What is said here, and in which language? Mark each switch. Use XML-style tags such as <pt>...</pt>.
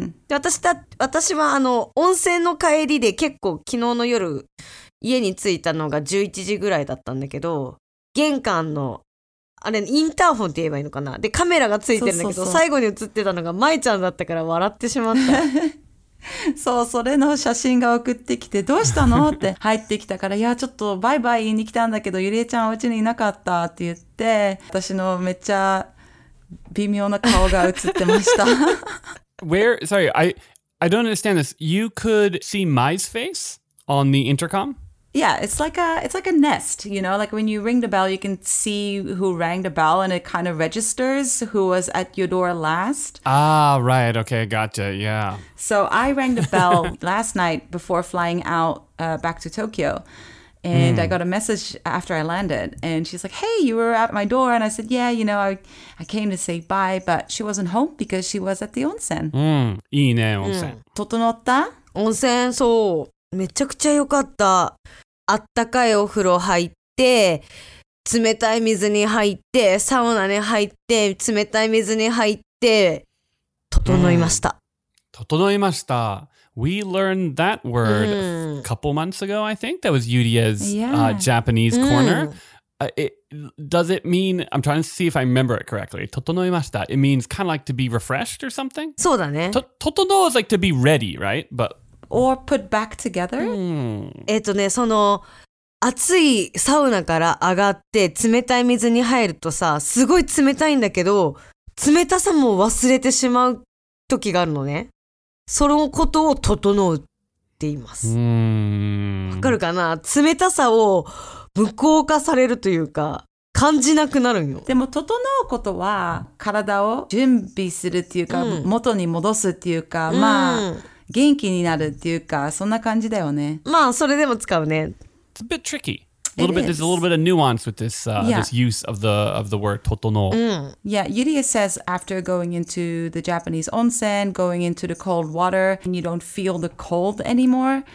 <ja>私は温泉の帰りで結構昨日の夜家に着いたのが11時ぐらいだったんだけど、玄関のあれインターホンって言えばいいのかな、でカメラがついてるんだけど、そうそうそう、最後に映ってたのがまいちゃんだったから笑ってしまったそう、それの写真が送ってきて、どうしたのって入ってきたから、いやちょっとバイバイ言いに来たんだけど、ゆりえちゃんお家にいなかったって言って、私のめっちゃ微妙な顔が映ってました</ja> <en>Where, sorry, I don't understand this. You could see Mai's face on the intercom? Yeah, it's like a nest, you know, like when you ring the bell, you can see who rang the bell and it kind of registers who was at your door last. Ah, right. Okay, gotcha. Yeah. So I rang the bell last night before flying out back to Tokyo. And I got a message after I landed. And she's like, hey, you were at my door. And I said, yeah, you know, I came to say bye. But she wasn't home because she was at the onsen.</en> <ja>いいね、onsen. 整った?温泉、そう。めちゃくちゃ良かった。あったかいお風呂入って、冷たい水に入って、サウナに入って、冷たい水に入って、整いました。整いました。</ja> <en>We learned that word a couple months ago, I think. That was Yuria's Japanese corner. Does it mean, I'm trying to see if I remember it correctly.</en> <ja>整いました。</ja> <en>It means kind of like to be refreshed or something?</en> <ja>そうだね。</ja> <en>整 is like to be ready, right? But... Or put back together?</en> <ja>その熱いサウナから上がって冷たい水に入るとさ、すごい冷たいんだけど、冷たさも忘れてしまう時があるのね。そのことを整うって言います。わかるかな？冷たさを無効化されるというか、感じなくなるんよ。でも整うことは体を準備するっていうか、元に戻すっていうか、元気になるっていうか、そんな感じだよね。まあ、それでも使うね。</ja> <en>It's a bit tricky. There's a little bit of nuance with this, this use of the word 整う。 Yeah, Yuria says after going into the Japanese onsen, going into the cold water, and you don't feel the cold anymore.</en>